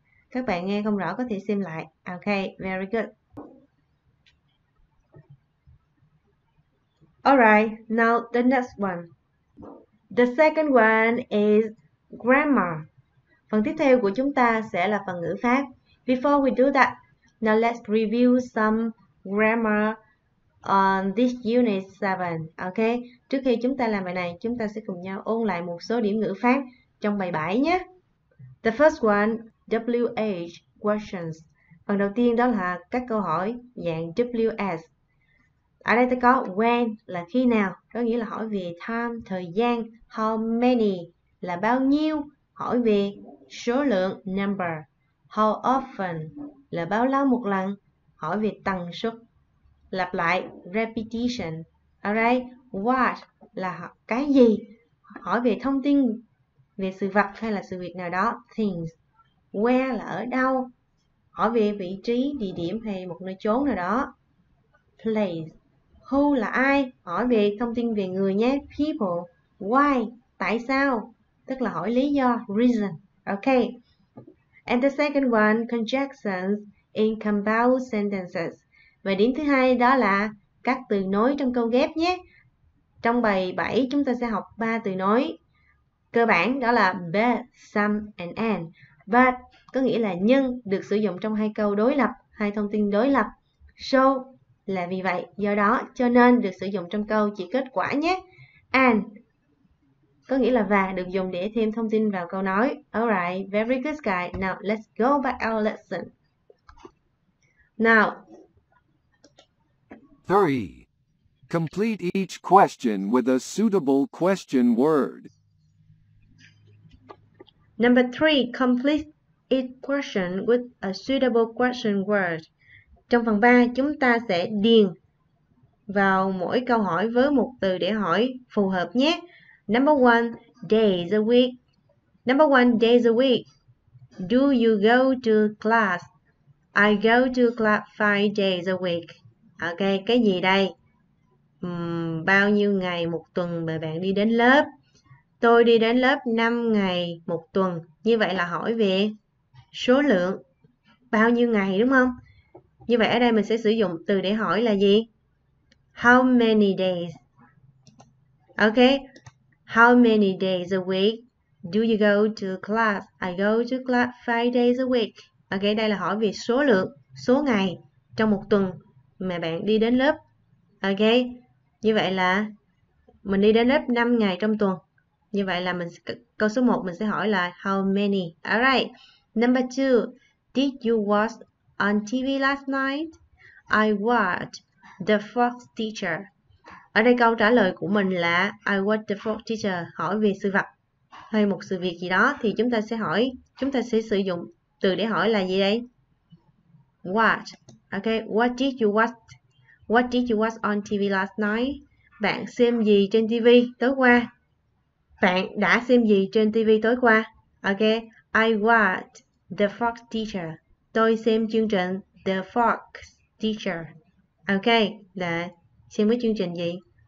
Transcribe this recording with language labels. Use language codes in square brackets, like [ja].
[vi] Các bạn nghe không rõ có thể xem lại. [en] Okay, very good. Alright, now the next one. The second one is grammar. [vi] Phần tiếp theo của chúng ta sẽ là phần ngữ pháp. [en] Before we do that, now let's review some grammar on this unit 7. [vi] Okay, trước khi chúng ta làm bài này, chúng ta sẽ cùng nhau ôn lại một số điểm ngữ pháp trong bài 7 nhé. [en] The first one, WH questions. [vi] Phần đầu tiên đó là các câu hỏi dạng WS. Ở đây ta có when là khi nào, có nghĩa là hỏi về time, thời gian. How many là bao nhiêu, hỏi về số lượng, number. How often là bao lâu một lần, hỏi về tần suất. Lặp lại, repetition. Alright, what là cái gì, hỏi về thông tin, về sự vật hay là sự việc nào đó. Things. Where là ở đâu, hỏi về vị trí, địa điểm hay một nơi chốn nào đó. Place. Who là ai, hỏi về thông tin về người nhé. People. Why, tại sao, tức là hỏi lý do, reason. Okay. [en] And the second one, conjunctions in compound sentences. [vi] Và điểm thứ hai đó là các từ nối trong câu ghép nhé. Trong bài 7 chúng ta sẽ học 3 từ nối cơ bản, đó là but, some and. But có nghĩa là nhưng, được sử dụng trong hai câu đối lập, hai thông tin đối lập. So là vì vậy, do đó, cho nên, được sử dụng trong câu chỉ kết quả nhé. And có nghĩa là và được dùng để thêm thông tin vào câu nói. [en] Alright, very good guys. Now let's go back our lesson. Now. 3. Complete each question with a suitable question word. Number 3. Complete each question with a suitable question word. [vi] Trong phần 3, chúng ta sẽ điền vào mỗi câu hỏi với một từ để hỏi phù hợp nhé. [en] Number 1. Days a week. Number 1. Days a week. Do you go to class? I go to class 5 days a week. [vi] Ok, cái gì đây? Bao nhiêu ngày một tuần mà bạn đi đến lớp? Tôi đi đến lớp 5 ngày một tuần. Như vậy là hỏi về số lượng. Bao nhiêu ngày đúng không? Như vậy ở đây mình sẽ sử dụng từ để hỏi là gì? [en] How many days? Ok. How many days a week do you go to class? I go to class 5 days a week. [vi] Ok, đây là hỏi về số lượng, số ngày trong một tuần mà bạn đi đến lớp. Ok, như vậy là mình đi đến lớp 5 ngày trong tuần. Như vậy là mình câu số 1 mình sẽ hỏi là how many. [en] Alright, number 2. Did you watch on TV last night? I watched the fourth teacher. [vi] Ở đây câu trả lời của mình là I watched the fourth teacher, hỏi về sự vật hay một sự việc gì đó. Thì chúng ta sẽ hỏi, chúng ta sẽ sử dụng từ để hỏi là gì đây? [en] Watch. Ok, what did you watch? What did you watch on TV last night? [vi] Bạn xem gì trên TV tối qua? Bạn đã xem gì trên TV tối qua? [en] Ok, I watched the Fox Teacher. [vi] Tôi xem chương trình [en] The Fox Teacher. [vi] Ok, là xem cái chương trình gì?